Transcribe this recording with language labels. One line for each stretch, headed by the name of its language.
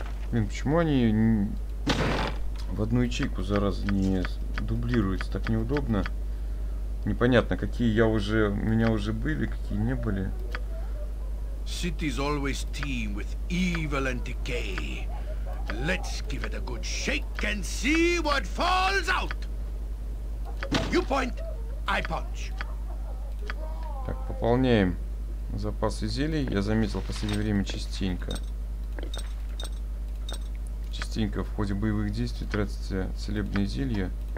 Russian: Блин, почему они в одну ячейку, зараза, не дублируются? Так неудобно. Непонятно, какие я уже, у меня уже были, какие не были.
English: Cities always teem with evil and decay. Let's give it a good shake and see what falls out. You point, I punch.
Russian: Так, пополняем запасы зелий. Я заметил в последнее время частенько. Частенько в ходе боевых действий тратится целебные зелья.